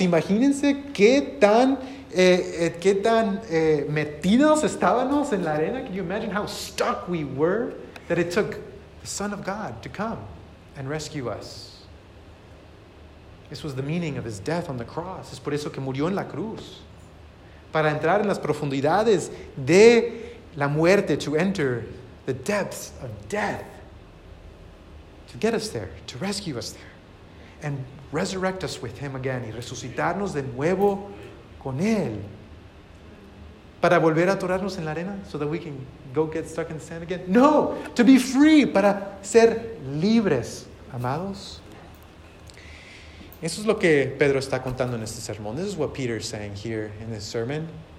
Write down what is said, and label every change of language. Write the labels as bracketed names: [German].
[Spanish] Imagínense qué tan metidos estábamos en la arena. [English] Can you imagine how stuck we were? That it took the Son of God to come and rescue us. This was the meaning of his death on the cross. [Spanish] Es por eso que murió en la cruz. Para entrar en las profundidades de la muerte, [English] to enter the depths of death. To get us there, to rescue us there. And resurrect us with him again. [Spanish] Y resucitarnos de nuevo con él. Para volver a atorarnos en la arena, [English] so that we can go get stuck in the sand again. No, to be free, [Spanish] para ser libres, amados. Eso es lo que Pedro está contando en este sermón. [English] This is what Peter is saying here in this sermon.